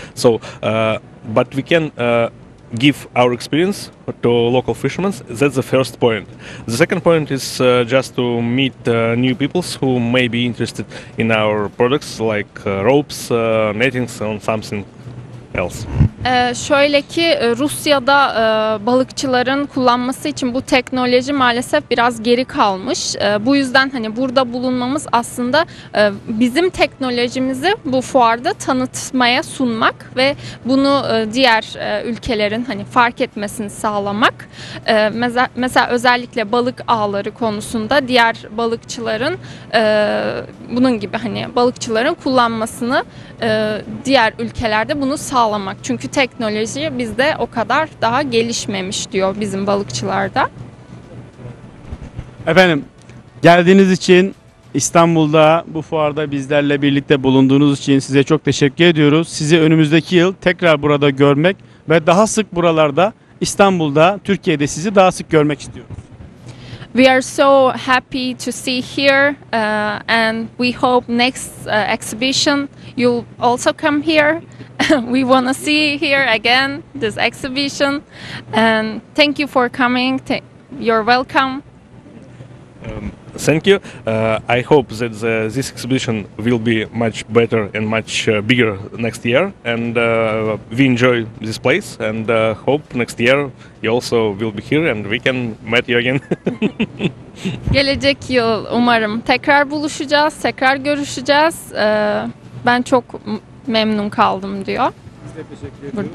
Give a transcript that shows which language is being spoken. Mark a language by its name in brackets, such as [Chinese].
[English] So, but we can give our experience to local fishermen. That's the first point. The second point is just to meet new peoples who may be interested in our products, like ropes, nettings, and something else. [Turkish] Şöyle ki Rusya'da balıkçıların kullanması için bu teknoloji maalesef biraz geri kalmış. Bu yüzden hani burada bulunmamız aslında bizim teknolojimizi bu fuarda tanıtmaya sunmak ve bunu diğer ülkelerin hani fark etmesini sağlamak. Mesela özellikle balık ağları konusunda diğer balıkçıların bunun gibi hani balıkçıların kullanmasını diğer ülkelerde bunu sağlamak. Çünkü teknoloji bizde o kadar daha gelişmemiş diyor bizim balıkçılarda. Efendim, geldiğiniz için, İstanbul'da bu fuarda bizlerle birlikte bulunduğunuz için size çok teşekkür ediyoruz. Sizi önümüzdeki yıl tekrar burada görmek ve daha sık buralarda, İstanbul'da, Türkiye'de sizi daha sık görmek istiyoruz. [English] We are so happy to see here and we hope next exhibition you'll also come here. We want to see here again this exhibition, and thank you for coming. You're welcome. Thank you. I hope that this exhibition will be much better and much bigger next year, and we enjoy this place, and hope next year you also will be here and we can meet you again. [Turkish] Gelecek yıl umarım tekrar buluşacağız, tekrar görüşeceğiz. Ben çok memnun kaldım diyor. Biz de teşekkür ediyoruz